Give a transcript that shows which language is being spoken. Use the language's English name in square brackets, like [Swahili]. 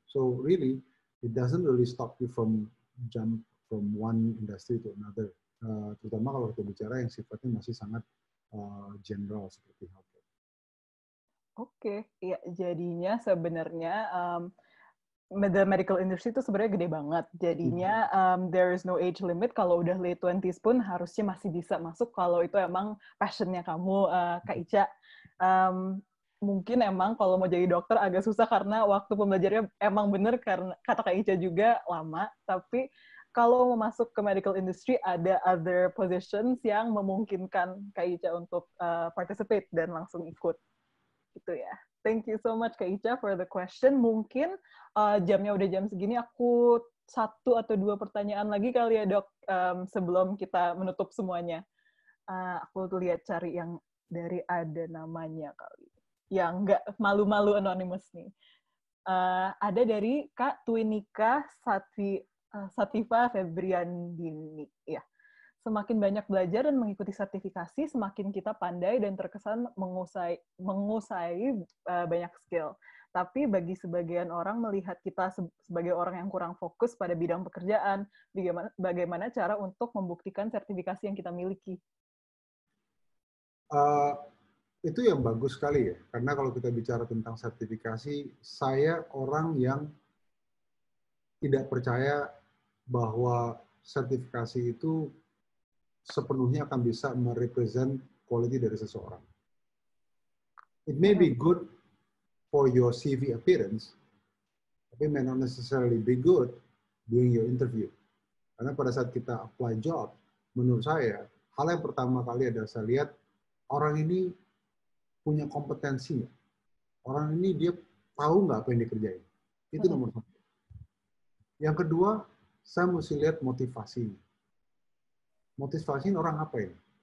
[English] So, really, it doesn't really stop you from jump from one industry to another. [Indonesian] Terutama kalau kita bicara yang sifatnya masih sangat general seperti healthcare. Oke, okay. Ya jadinya sebenarnya [English] the medical industry [Indonesian] itu sebenarnya gede banget. Jadinya [English] there is no age limit. [Indonesian] Kalau udah late 20s pun harusnya masih bisa masuk kalau itu emang passionnya kamu, Kak Ica. Mungkin emang kalau mau jadi dokter agak susah karena waktu pembelajarnya emang bener karena kata Kak Ica juga lama. Tapi kalau mau masuk ke medical industry, ada [English] other positions [Indonesian] yang memungkinkan Kak Ica untuk participate dan langsung ikut. Gitu ya. [English] Thank you so much Kak Ica for the question. [Indonesian] Mungkin jamnya udah jam segini, aku satu atau dua pertanyaan lagi kali ya dok, sebelum kita menutup semuanya. Aku tuh lihat cari yang dari ada namanya kali. Yang nggak malu-malu anonymous nih. Ada dari Kak Twinika Sativa Febriandini. Ya. Semakin banyak belajar dan mengikuti sertifikasi, semakin kita pandai dan terkesan menguasai banyak skill. Tapi bagi sebagian orang melihat kita sebagai orang yang kurang fokus pada bidang pekerjaan, bagaimana cara untuk membuktikan sertifikasi yang kita miliki? Itu yang bagus sekali ya. Karena kalau kita bicara tentang sertifikasi, saya orang yang tidak percaya bahwa sertifikasi itu sepenuhnya akan bisa merepresent quality dari seseorang. [English] It may be good for your CV appearance, [Indonesian] tapi [English] may not necessarily be good during your interview. [Indonesian] Karena pada saat kita apply job, menurut saya, hal yang pertama kali adalah saya lihat orang ini punya kompetensi. Orang ini dia tahu nggak apa yang dikerjain. Itu nomor satu. Yang kedua, saya mesti lihat motivasinya. motivasiin orang apa ya?